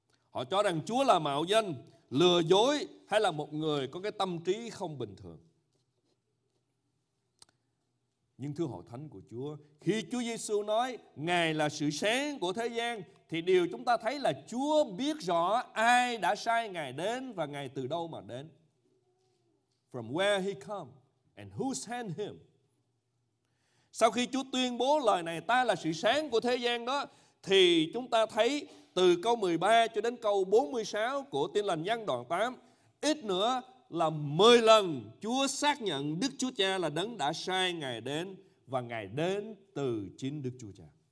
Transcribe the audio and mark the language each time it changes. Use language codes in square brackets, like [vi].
[vi] Họ cho rằng Chúa là mạo danh, lừa dối hay là một người có cái tâm trí không bình thường. Nhưng thưa hội thánh của Chúa, khi Chúa Giê-xu nói Ngài là sự sáng của thế gian thì điều chúng ta thấy là Chúa biết rõ ai đã sai Ngài đến và Ngài từ đâu mà đến. [en] From where he come and who sent him. [vi] Sau khi Chúa tuyên bố lời này, ta là sự sáng của thế gian đó, thì chúng ta thấy từ câu 13 cho đến câu 46 của Tin Lành Giăng đoạn 8, ít nữa là 10 lần Chúa xác nhận Đức Chúa Cha là đấng đã sai Ngài đến và Ngài đến từ chính Đức Chúa Cha.